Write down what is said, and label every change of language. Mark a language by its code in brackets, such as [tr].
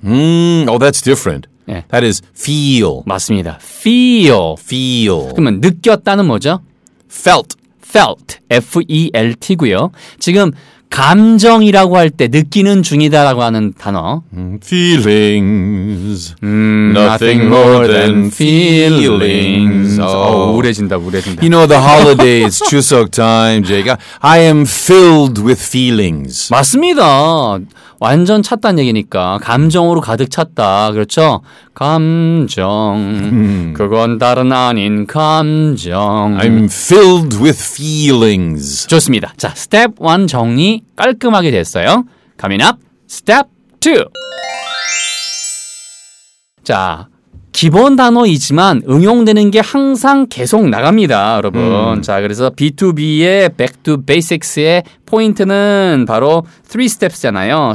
[en] Oh, that's different. 네. That is feel. [ko] 맞습니다. Feel. [en] Feel. [ko] 그러면 느꼈다는 뭐죠? [en] Felt. Felt. F-E-L-T고요. [ko] 지금 감정이라고 할 때 느끼는 중이다라고 하는 단어. [en] Feelings. Nothing more than feelings. [ko] Oh, 우울해진다, 우울해진다. [en] You know the holidays, Chuseok time, Jake. I am filled with feelings. [ko] 맞습니다. 완전 찼단 얘기니까 감정으로 가득 찼다. 그렇죠? 감정. 그건 다른 아닌 감정. [en] I'm filled with feelings. [ko] 좋습니다. 자, 스텝 1 정리 깔끔하게 됐어요. [en] Coming up, step 2. [ko] 자, 기본 단어이지만 응용되는 게 항상 계속 나갑니다, 여러분. 자, 그래서 B2B의 Back to Basics의 포인트는 바로 three steps잖아요.